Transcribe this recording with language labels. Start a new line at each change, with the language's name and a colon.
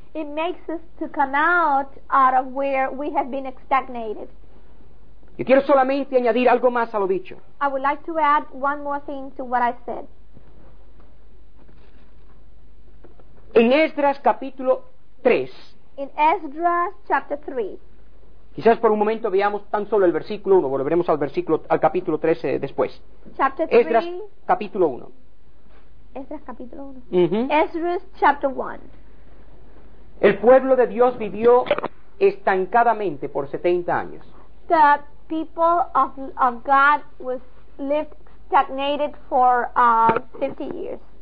English: It makes us to come out of where we have been stagnated.
Spanish: Yo quiero solamente añadir algo más a lo dicho.
English: I would like to add one more thing to what I said.
Spanish: En Esdras capítulo 3.
English: In Esdras chapter 3.
Spanish: Quizás por un momento veamos tan solo el versículo 1. Volveremos al capítulo 13 después.
English: Chapter 3.
Spanish: Esdras capítulo 1. Esdras capítulo 1. Uh-huh.
English: Esdras chapter 1.
Spanish: El pueblo de Dios vivió estancadamente por 70 años.
English: The people of God lived stagnated for 50 years.